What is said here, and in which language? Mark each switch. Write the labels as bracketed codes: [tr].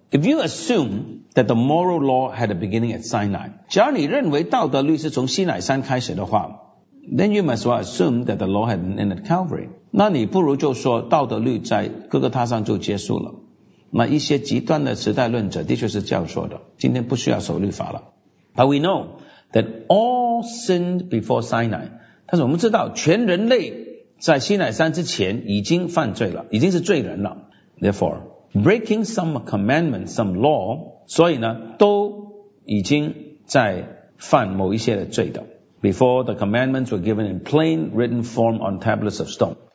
[en] If you assume that the moral law had a beginning at Sinai, [zh] 假如你认为道德律是从西乃山开始的话， [en] then you must well assume that the law had an end at Calvary. [zh] 那你不如就说道德律在哥哥他上就结束了。那一些极端的时代论者的确是这样说的，今天不需要守律法了。 [en] But we know that all sinned before Sinai. [zh] 但是我们知道全人类在西乃山之前已经犯罪了，已经是罪人了。 [en] Therefore, breaking some commandment, some law, [zh] 所以呢都已经在犯某一些的罪的。 [en] Before the commandments were given in plain written form on tablets of stone.